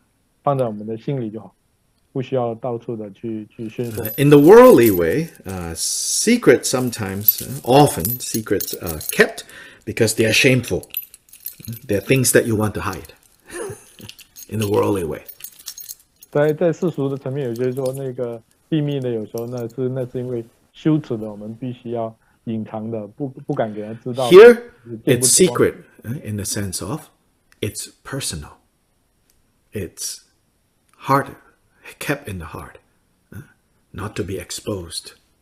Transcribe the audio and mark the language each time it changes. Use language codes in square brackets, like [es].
[en] In the worldly way, secrets sometimes, often secrets are kept because they are shameful. They are things that you want to hide. In the worldly way. [zh] 在世俗的层面，有些说那个秘密的，有时候那是因为羞耻的，我们必须要隐藏的，不敢给人知道。 [en] Here, it's secret in the sense of it's personal. It's heart. Kept in the heart, not to be exposed.